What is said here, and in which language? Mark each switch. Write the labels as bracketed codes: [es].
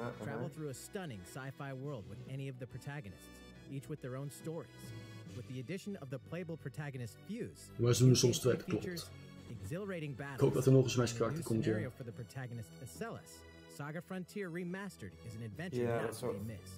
[en] Travel through a stunning sci-fi world with any of the protagonists, each with their own stories. With the addition of the playable protagonist Fuse. [nl] Maar ze doen soms twee, klopt. [en] Exhilarating battles. [nl] Ik hoop dat er nog een Smash karakter komt hier. [en] For the protagonist Acellus. Saga Frontier Remastered is an adventure that has been missed.